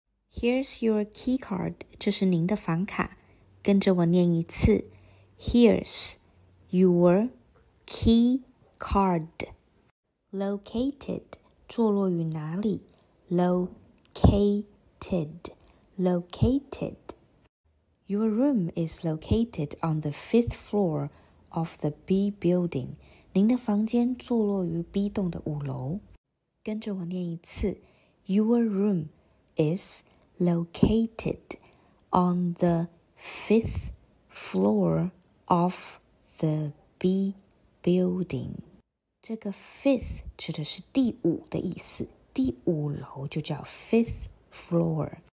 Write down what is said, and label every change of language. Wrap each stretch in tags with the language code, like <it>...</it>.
<en>Here's your key card,</en> <zh>这是您的房卡。跟着我念一次</zh> <en>Here's your key card. Located,</en> <zh>坐落于哪里</zh> <en>Located. Located. Your room is located on the fifth floor of the B building.</en> <zh>您的房间坐落于 B 栋的五楼。跟着我念一次</zh> <en>Your room is located on the fifth floor of the B building.</en> <zh>这个 fifth 指的是第五的意思，第五楼就叫</zh> <en>fifth floor.</en>